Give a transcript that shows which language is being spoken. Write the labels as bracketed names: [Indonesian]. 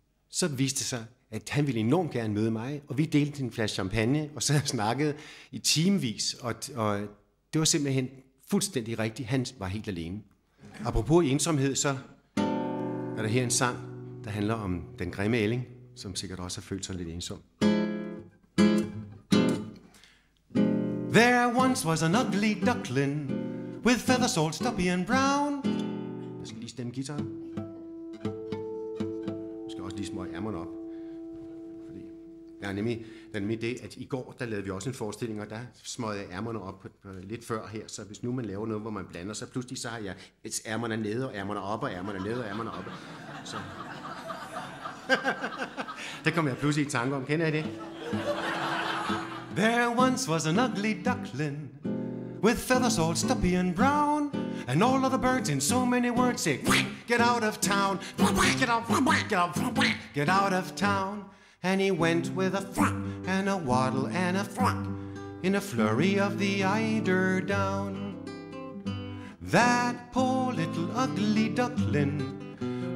[Danish] Så viste det sig, at han ville enormt gerne møde mig, og vi delte en flaske champagne, og så snakkede i timevis, og det var simpelthen fuldstændig rigtigt. Han var helt alene. Apropos ensomhed, så er der her en sang, der handler om den grimme ælling, som sikkert også har følt sig lidt ensom. [English] There once was an ugly duckling with feathers all stubby and brown. [Danish] Jeg skal lige stemme gitaren. Jeg skal også lige smøge ærmerne op. Fordi jeg er nemlig den idé, at i går der lavede vi også en forestilling, og der smøgede jeg ærmerne op lidt før her. Så hvis nu man laver noget, hvor man blander sig, pludselig så har jeg ærmerne nede og ærmerne op og ærmerne nede og ærmerne op. Så. Det kom jeg pludselig i tanke om. Kender I det? [English] There once was an ugly duckling with feathers all stubby and brown, and all of the birds in so many words say, quack, get out of town, quack, get out, quack, get out, quack, get out of town. And he went with a frack and a waddle and a frack in a flurry of the eider down. That poor little ugly duckling